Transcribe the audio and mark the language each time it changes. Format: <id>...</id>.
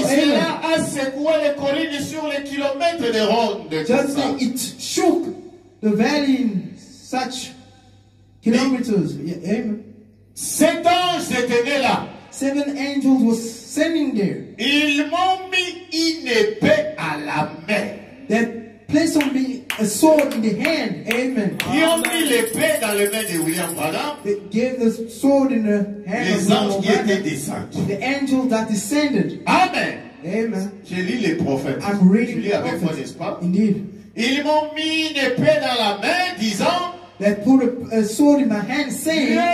<fr>cela a secoué les collines sur les kilomètres de ronde.</fr> <en>Just there, it shook the valley in such kilometers. Yeah, amen.</en> <fr>Sept anges étaient là.</fr> <en>Seven angels were standing there.</en> <fr>Ils m'ont mis une épée à la main.</fr> <en>They placed on me a sword in the hand. Amen.</en> <fr>Ils ont mis l'épée dans les mains de William Branham.</fr> <en>They gave the sword in the hand</en> <fr>les les anges qui</fr> <en>Branham.</en> <fr>Étaient descendus.</fr> <en>The angel that descended. Amen. Amen.</en> <fr>Je lis les prophètes.</fr> <en>I'm reading</en> <fr>je lis avec vous, n'est-ce pas?</fr> <en>Indeed.</en> <fr>Ils m'ont mis une épée dans la main, disant.</fr> <en>They put a sword in my hand, saying,</en>